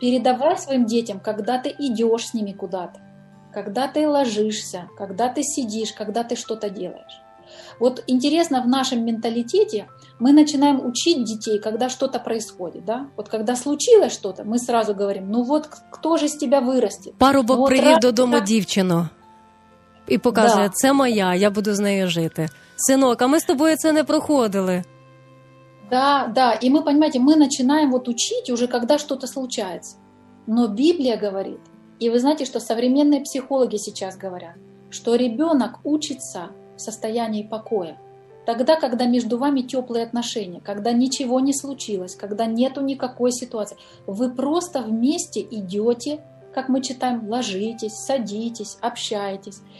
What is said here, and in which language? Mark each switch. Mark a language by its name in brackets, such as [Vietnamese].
[Russian] Передавай своим детям, когда ты идешь с ними куда-то, когда ты ложишься, когда ты сидишь, когда ты что-то делаешь. Вот интересно, в нашем менталитете – мы начинаем учить детей, когда что-то происходит, да? Вот когда случилось что-то, мы сразу говорим, ну вот кто же из тебя вырастет? [Ukrainian] Парубок вот привів додому дівчину і показує, да. Це моя, я буду з нею жити. Синок, а ми з тобою це не проходили. [Russian] Да, да, и мы, понимаете, мы начинаем вот учить уже, когда что-то случается. Но Библия говорит, и вы знаете, что современные психологи сейчас говорят, что ребенок учится в состоянии покоя. Тогда, когда между вами теплые отношения, когда ничего не случилось, когда нету никакой ситуации, вы просто вместе идете, как мы читаем, ложитесь, садитесь, общаетесь.